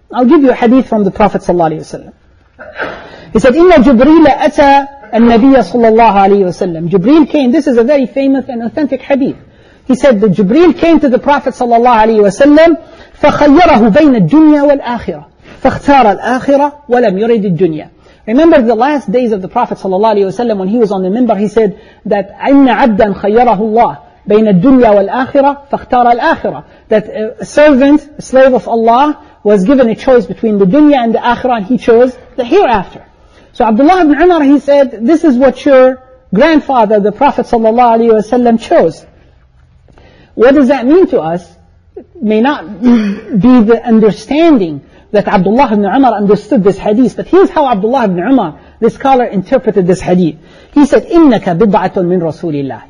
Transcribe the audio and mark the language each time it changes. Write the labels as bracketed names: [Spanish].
[English] I'll give you a hadith from the Prophet sallallahu alayhi wa sallam. He said, [Arabic] إِنَّ جُبْرِيلَ أَتَى النَّبِيَّ صَلَّى اللَّهُ عَلَيْهِ وَسَلَّمُ. [English] Jibreel came, this is a very famous and authentic hadith. He said that Jibreel came to the Prophet sallallahu alayhi wa sallam, [Arabic] فَخَيَّرَهُ بَيْنَ الدُّنْيَا وَالْآخِرَةِ فَاخْتَارَ الْآخِرَةَ وَلَمْ يُرِدِ الدُّنْيَا. [English] Remember the last days of the Prophet ﷺ when he was on the minbar, he said that [Arabic] إِنَّ عَبْدًا خَيَّرَهُ اللَّهِ بَيْنَ الدُّنْيَا وَالْآخِرَةِ فَاخْتَارَ الْآخِرَةِ. [English] That a servant, a slave of Allah, was given a choice between the dunya and the akhirah, and he chose the hereafter. So Abdullah ibn Umar, he said, this is what your grandfather, the Prophet sallallahu alayhi wa sallam, chose. What does that mean to us? It may not be the understanding that Abdullah ibn Umar understood this hadith, but here's how Abdullah ibn Umar, the scholar, interpreted this hadith. He said, [Arabic] إِنَّكَ بِضْعَةٌ مِّن رَسُولِ اللَّهِ.